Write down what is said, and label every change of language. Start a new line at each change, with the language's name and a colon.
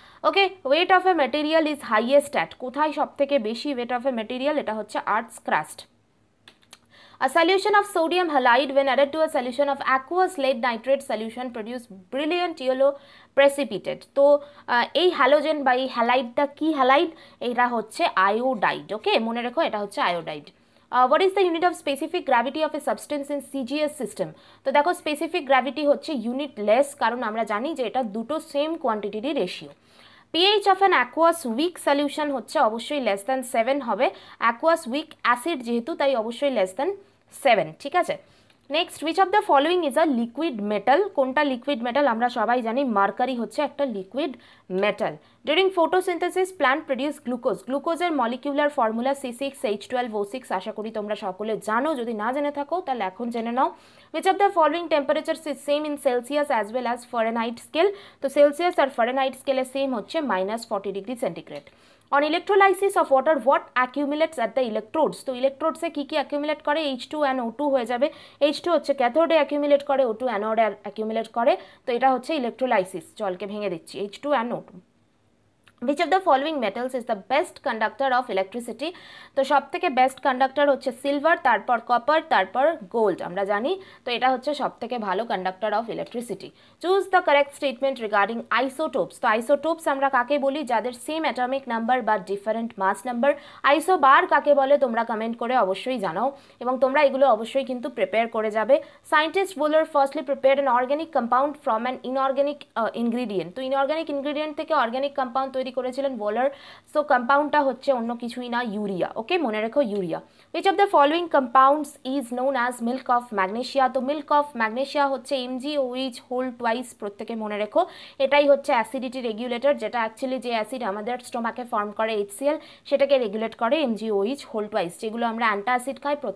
English: okay, weight of a material is highest at,
Bangla: কোথায় সব থেকে বেশি
English: Weight of a material?
Bangla: এটা হচ্ছে
English: Earth's crust. A solution of sodium halide when added to a solution of aqueous lead nitrate solution produce brilliant yellow precipitated.
Bangla: তো এই halogen বা এই হ্যালাইডটা কী হ্যালাইড? এটা হচ্ছে আয়োডাইড। ওকে, মনে রেখো এটা হচ্ছে iodide.
English: What is the unit of specific gravity of a substance in CGS system?
Bangla: তো দেখো স্পেসিফিক গ্র্যাভিটি হচ্ছে ইউনিট লেস, কারণ আমরা জানি যে এটা দুটো same কোয়ান্টিটিরই ratio.
English: pH of an aqueous weak solution
Bangla: হচ্ছে অবশ্যই
English: less than 7
Bangla: হবে,
English: aqueous weak acid
Bangla: যেহেতু তাই অবশ্যই
English: less than 7,
Bangla: ঠিক আছে?
English: Next, which of the following is a liquid metal.
Bangla: কোনটা লিকুইড মেটাল? আমরা সবাই জানি মার্কারি হচ্ছে একটা liquid metal.
English: During photosynthesis plant produce glucose.
Bangla: গ্লুকোজের মলিকিউলার ফর্মুলা C6H12O6, আশা করি তোমরা সকলে জানো, যদি না জেনে থাকো তাহলে এখন জেনে নাও।
English: Which of the following temperatures is same in celsius as well as fahrenheit scale.
Bangla: তো সেলসিয়াস আর ফারেনহাইট স্কেলে সেম হচ্ছে -40°C।
English: On electrolysis of water what accumulates at the electrodes.
Bangla: তো ইলেকট্রোডসে কী কী অ্যাকিউমুলেট করে? H2 and O2 হয়ে যাবে। H2 হচ্ছে ক্যাথোডে accumulate করে, O2 অ্যানোডে accumulate করে। তো এটা হচ্ছে ইলেকট্রোলাইসিস, জলকে ভেঙে দিচ্ছি, H2 and O2।
English: which of the following metals is the best conductor of electricity?
Bangla: তো সব থেকে best conductor হচ্ছে silver, তারপর copper, তারপর gold. আমরা জানি তো এটা হচ্ছে সব থেকে ভালো
English: conductor of electricity. Choose the correct statement regarding isotopes.
Bangla: তো isotopes আমরা কাকে বলি যাদের same atomic number বা different mass number. Isobar কাকে বলে তোমরা comment করে অবশ্যই জানাও এবং তোমরা এগুলো অবশ্যই কিন্তু prepare করে যাবে.
English: Scientist Wohler firstly prepared an organic compound from an inorganic ingredient.
Bangla: তো inorganic ingredient থেকে organic compound তৈরি করেছিলেন বোলার সো কম্পাউন্ডটা হচ্ছে অন্য কিছুই না ইউরিয়া ওকে মনে রেখো urea
English: which of the following compounds is known as milk of magnesia
Bangla: তো milk of magnesia হচ্ছে MgOH whole twice প্রত্যেককে মনে রেখো এটাই হচ্ছে অ্যাসিডিটি রেগুলেটর যেটা অ্যাকচুয়ালি যে অ্যাসিড আমাদের স্টমাকে ফর্ম করে HCl সেটাকে রেগুলেট করে MgOH whole twice যেগুলো আমরা অ্যান্টাসিড খাই